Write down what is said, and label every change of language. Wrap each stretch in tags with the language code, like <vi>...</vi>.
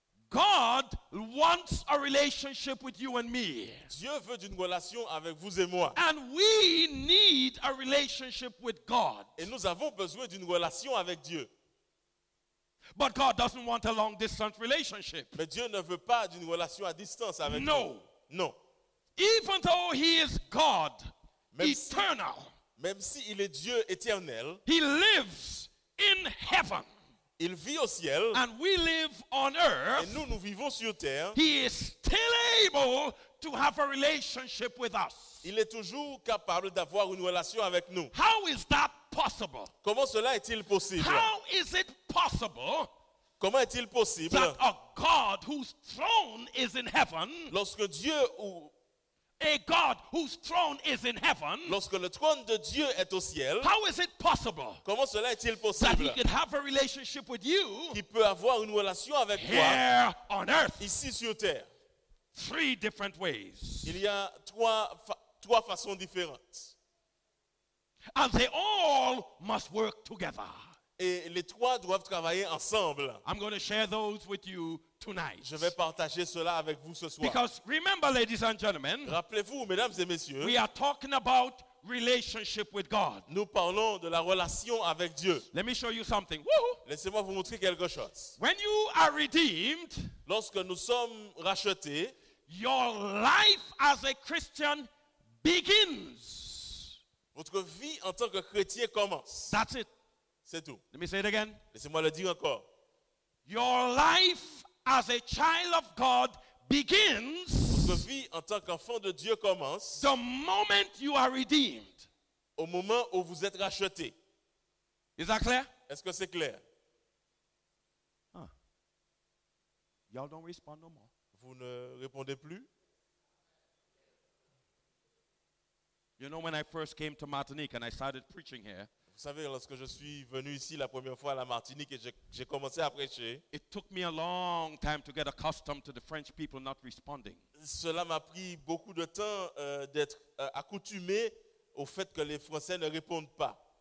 <en>God wants a relationship with you and me.</en> <fr>Dieu veut une relation avec vous et moi.</fr> <en>And we need a relationship with God.</en> <fr>Et nous avons besoin d'une relation avec Dieu.</fr> <en>But God doesn't want a long-distance relationship.</en> <fr>Mais Dieu ne veut pas d'une relation à distance avec</fr> <en>no.</en> <fr>Nous.</fr> <en>No. Even though he is God, eternal.</en> <fr>Même si il est Dieu éternel,</fr> <en>he lives in heaven.</en> <fr>Il vit au ciel,</fr> <en>and we live on earth.</en> <fr>Et nous vivons sur terre.</fr> <en>He is still able to have a relationship with us.</en> <fr>Il est toujours capable d'avoir une relation avec nous.</fr> <en>How is that possible?</en> <fr>Comment cela est-il possible?</fr> <en>How is it possible?</en> <fr>Comment est-il possible?</fr> <en>That a God whose throne is in heaven.</en> <fr>Lorsque Dieu ou</fr> <en>a God whose throne is in heaven.</en> <fr>Lorsque le trône de Dieu est au ciel.</fr> <en>How is it possible?</en> <fr>Comment cela est-il possible?</fr> <en>That he can have a relationship with you.</en> <fr>Qu'il peut avoir une relation avec</fr> <en>here</en> <fr>toi.</fr> <en>On earth.</en> <fr>Ici sur terre.</fr> <en>Three different ways.</en> <fr>Il y a trois façons différentes.</fr> <en>And they all must work together.</en> <fr>Et les trois doivent travailler ensemble.</fr> <en>I'm going to share those with you tonight.</en> <fr>Je vais partager cela avec vous ce soir.</fr> <en>Because remember, ladies and gentlemen,</en> <fr>rappelez-vous, mesdames et messieurs,</fr> <en>we are talking about relationship with God.</en> <fr>Nous parlons de la relation avec Dieu.</fr> <en>Let me show you something. Woo-hoo.</en> <fr>Laissez-moi vous montrer quelque chose.</fr> <en>When you are redeemed,</en> <fr>lorsque nous sommes rachetés,</fr> <en>your life as a Christian begins.</en> <fr>Votre vie en tant que chrétien commence.</fr> <en>That's it.</en> <fr>C'est tout.</fr> <en>Let me say it again.</en> <fr>Laissez-moi le dire encore.</fr> <en>Your life as a child of God begins.</en> <fr>Votre vie en tant qu'enfant de Dieu commence.</fr> <en>The moment you are redeemed.</en> <fr>Au moment où vous êtes racheté.</fr> <en>Is that clear?</en> <fr>Est-ce que c'est clair? Huh.</fr> <en>Y'all don't respond no more.</en> <fr>Vous ne répondez plus?</fr> <en>You know when I first came to Martinique and I started preaching here.</en> <fr>Vous savez lorsque je suis venu ici la première fois à la Martinique et j'ai commencé à prêcher.</fr> <en>It took me a long time to get accustomed to the French people not responding.</en> <fr>Cela m'a pris beaucoup de temps d'être accoutumé au fait que les Français ne répondent pas.</fr>